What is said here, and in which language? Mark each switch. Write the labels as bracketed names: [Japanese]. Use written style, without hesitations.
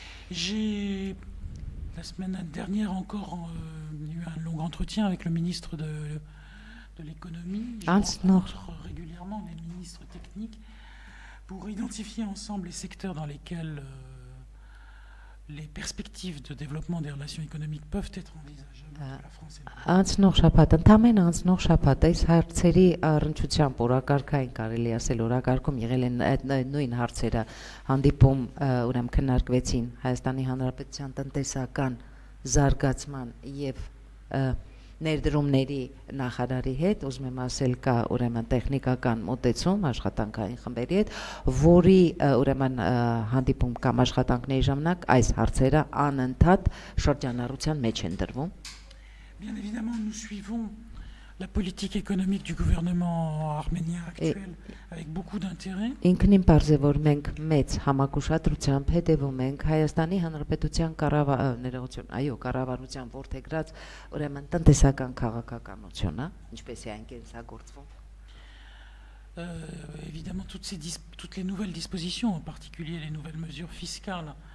[French] J'ai la semaine dernière encore eu un long entretien avec le ministre de l'économie, régulièrement les ministres techniques pour identifier ensemble les secteurs dans lesquels les perspectives de développement des relations économiques peuvent être envisageables. [Armenian] Անցնող շաբաթ, ընդամենը անցնող շաբաթ, այս հարցերի առնչությամբ օրակարգային կարելի ասել օրակարգում եղել են այդ նույն հարցերը, հանդիպում ուրեմն քննարկվեցին Հայաստանի Հանրապետության տնտեսական զարգացման եւ ներդրումների նախարարի հետ, ուզում եմ ասել, կա ուրեմն տեխնիկական մոտեցում աշխատանքային խմբերի հետ, որի ուրեմն հանդիպում կամ աշխատանքների ժամանակ այս հարցերը անընդհատ շրջանառության մեջ են դրվում։ [French] Bien évidemment nous suivons la politique économique du gouvernement arménien actuel avec beaucoup d'intérêt. [Armenian] Ինքնին պարզ է, որ մենք մեծ համակուշադրությամբ հետևում ենք Հայաստանի Հանրապետության կառավարություն, այո, կառավարության որդեգրած ուրեմն տնտեսական քաղաքականությունը, ինչպես է այն կենսագործվում։ [French] Évidemment toutes les nouvelles dispositions, en particulier les nouvelles mesures fiscales